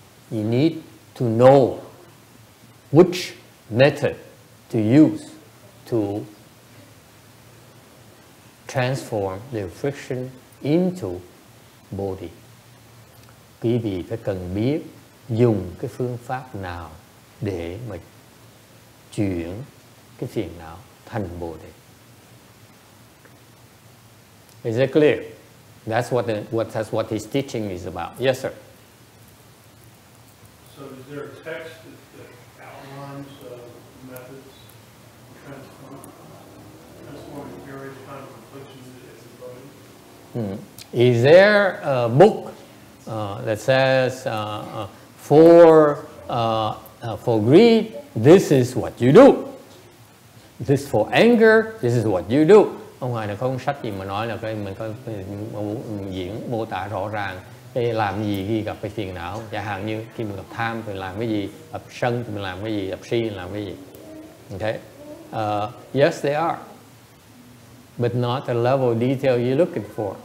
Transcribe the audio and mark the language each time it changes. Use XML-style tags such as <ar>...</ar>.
<en>You need to know which method to use to transform the affliction into Bodhi.</en> <vi>Quý vị phải cần biết dùng cái phương pháp nào để mà chuyển cái phiền não thành Bồ Đề.</vi> <en>Is it clear? That's what his teaching is about. Yes, sir. So is there a text that outlines methods transforming various kinds of afflictions into Bodhi? Is there a book that says for greed, this is what you do. This for anger, this is what you do.</en> <vi>Ông ngoài là có một sách gì mà nói là cái mình có diễn mô tả rõ ràng cái làm gì khi gặp cái phiền não. Chẳng hạn như khi mình gặp tham thì làm cái gì, gặp sân thì mình làm cái gì, gặp si thì làm cái gì.</vi> <en>Okay. Yes, they are. But not the level of detail you're looking for.</en>